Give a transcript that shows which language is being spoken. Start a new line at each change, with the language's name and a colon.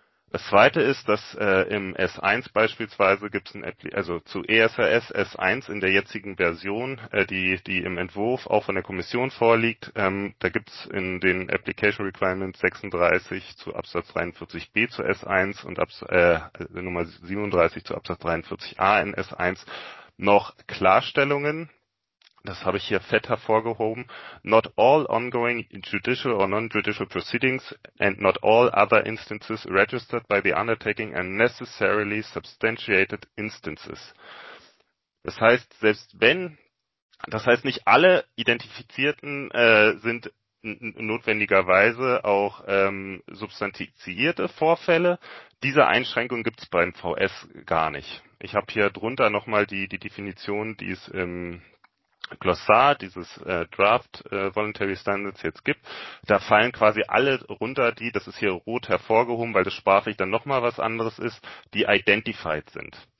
German: Das zweite ist, dass im S1 beispielsweise gibt es also zu ESRS S1 in der jetzigen Version, die im Entwurf auch von der Kommission vorliegt, da gibt es in den Application Requirements 36 zu Absatz 43b zu S1 und Nummer 37 zu Absatz 43a in S1 noch Klarstellungen. Das habe ich hier fett hervorgehoben.
English: Not all ongoing judicial or non-judicial proceedings and not all other instances registered by the undertaking are necessarily substantiated instances.
German: Das heißt nicht alle Identifizierten sind notwendigerweise auch substantiierte Vorfälle. Diese Einschränkung gibt es beim VS gar nicht. Ich habe hier drunter nochmal die Definition, die es im Glossar, dieses Draft Voluntary Standards jetzt gibt, da fallen quasi alle runter, die, das ist hier rot hervorgehoben, weil das sprachlich dann nochmal was anderes ist, die identified sind.